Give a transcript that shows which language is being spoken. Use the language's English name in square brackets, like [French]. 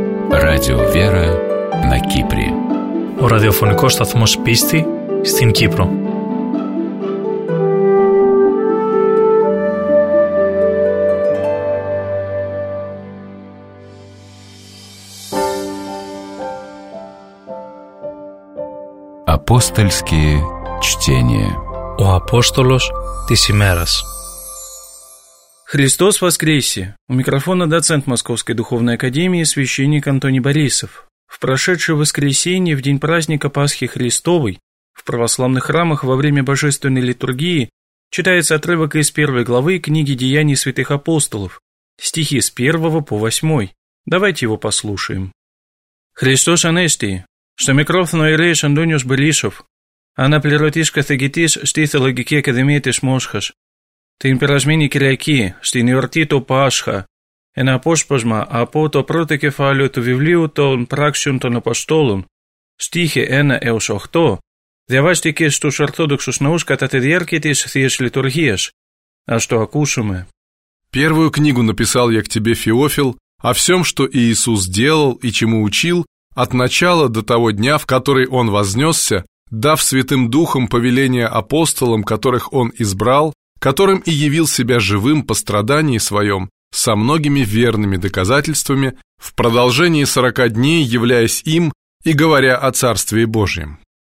[Russian] Radio Vera на Кипре. [Greek] Ο ραδιοφωνικός σταθμός πίστη στην Κύπρο. [Russian] Апостольские чтения. [Greek] Ο Απόστολος της ημέρας. [Russian] Христос воскресе! У микрофона доцент Московской духовной академии священник Антоний Борисов. В прошедшее воскресенье, в день праздника Пасхи Христовой, в православных храмах во время божественной литургии читается отрывок из первой главы книги Деяний святых апостолов, стихи с 1 по 8. Давайте его послушаем. [Greek] Христос Анести, что микрофону Ирейс Антониус Борисов, она плеротис кафегитис стихологике академии Тесмосхас, την περασμένη Κυριακή, στην εορτή του Πάσχα, ένα απόσπασμα από το πρώτο κεφάλαιο του βιβλίου των Πράξεων των Αποστόλων, στίχη 1 έως 8, διαβάστηκε στους Ορθόδοξους Ναούς κατά τη διάρκεια της Θείας Λειτουργίας. Ας το ακούσουμε. [Russian] Первую книгу написал я к тебе, Феофил, о всем, что Иисус делал и чему учил, от начала до того дня, в который Он вознесся, дав Святым Духом повеление апостолам, которых Он избрал, которым и явил себя живым по страдании своем, со многими верными доказательствами, в продолжении 40 дней являясь им и говоря о Царстве Божьем.